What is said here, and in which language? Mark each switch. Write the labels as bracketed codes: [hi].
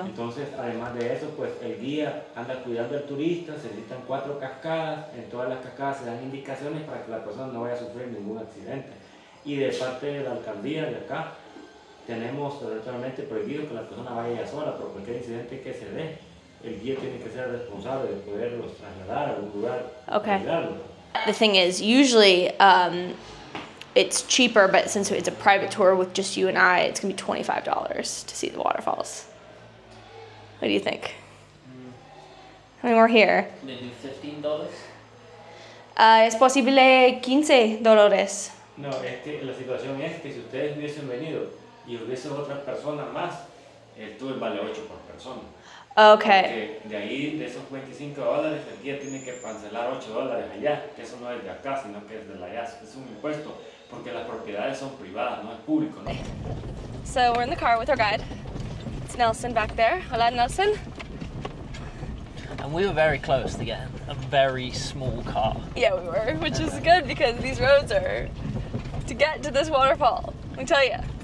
[es] Entonces, además de eso, pues el guía anda cuidando al turista, se necesitan 4 cascadas, en todas las cascadas se dan indicaciones para que la persona no vaya a sufrir ningún accidente. Y de parte de la alcaldía de acá, tenemos totalmente prohibido que la persona vaya sola por cualquier incidente que se dé. El guía tiene que ser responsable de poderlos trasladar a un lugar. [en] Okay. The thing is, usually, it's cheaper, but since it's a private tour with just you and I, it's gonna be $25 to see the waterfalls. What do you think? Mm. I mean, we're here. Maybe $15? [es] Es posible $15. No, es que la situación es que si ustedes hubiesen venido y hubiese otra persona más, el tour vale 8 por persona. [en] Okay. [es] Porque de ahí, de esos $25, el guía tiene que cancelar $8 allá, que eso no es de acá, sino que es de la allá. Es un impuesto. Porque las propiedades son privadas, no es público, ¿no? [en] So we're in the car with our guide. It's Nelson back there. Hola, Nelson. And we were very close to getting a very small car. Yeah, we were, which is good because these roads are to get to this waterfall. Let me tell you.